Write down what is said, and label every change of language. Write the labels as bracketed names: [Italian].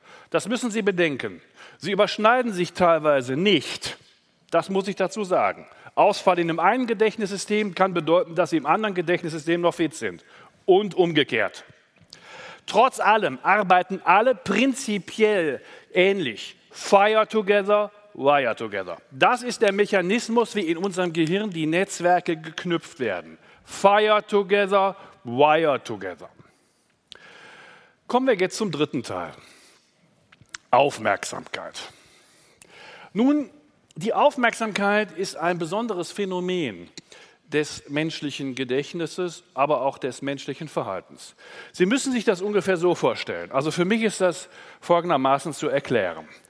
[German] Das müssen Sie bedenken. Sie überschneiden sich teilweise nicht. Das muss ich dazu sagen. Ausfall in dem einen Gedächtnissystem kann bedeuten, dass Sie im anderen Gedächtnissystem noch fit sind. Und umgekehrt. Trotz allem arbeiten alle prinzipiell ähnlich. [English] Fire together, wire together. [German] Das ist der Mechanismus, wie in unserem Gehirn die Netzwerke geknüpft werden. [English] Fire together, wire together. [German] Kommen wir jetzt zum dritten Teil. Aufmerksamkeit. Nun, die Aufmerksamkeit ist ein besonderes Phänomen des menschlichen Gedächtnisses, aber auch des menschlichen Verhaltens. Sie müssen sich das ungefähr so vorstellen. Also für mich ist das folgendermaßen zu erklären.